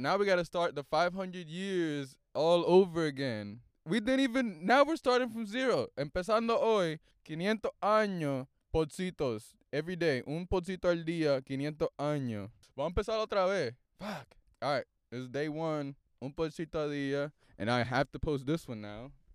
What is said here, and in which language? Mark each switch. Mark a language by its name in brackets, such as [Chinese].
[English] Now we gotta start the 500 years all over again. We didn't even, now we're starting from zero. [Spanish] Empezando hoy, 500 años. Pocitos, [English] every day, [Spanish] un pocito al día, 500 años. Vamos a empezar otra vez. Fuck. [English] All right, it's day one, [Spanish] un pocito al día, [English] and I have to post this one now.